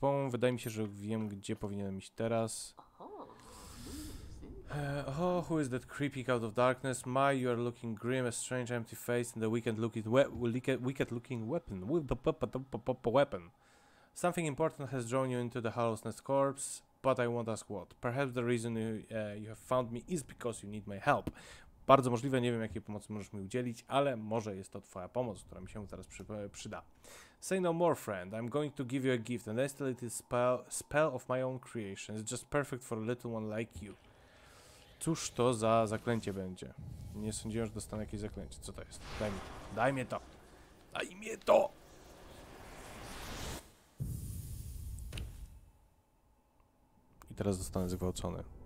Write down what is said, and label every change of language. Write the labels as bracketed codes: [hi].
[pl] Wydaje mi się, że wiem, gdzie powinienem iść teraz. [en] Oh, who is that creeping out of darkness? My, you are looking grim, a strange empty face and a wicked-looking weapon. Weapon. Something important has drawn you into the Hollow's Nest corpse, but I won't ask what. Perhaps the reason you have found me is because you need my help. [pl] Bardzo możliwe, nie wiem, jakiej pomocy możesz mi udzielić, ale może jest to twoja pomoc, która mi się teraz przyda. [en] Say no more, friend. I'm going to give you a gift, and instead it is spell of my own creation. It's just perfect for a little one like you. [pl] Cóż to za zaklęcie będzie? Nie sądziłem, że dostanę jakieś zaklęcie. Co to jest? Daj mi to! I teraz zostanę zgwałcony.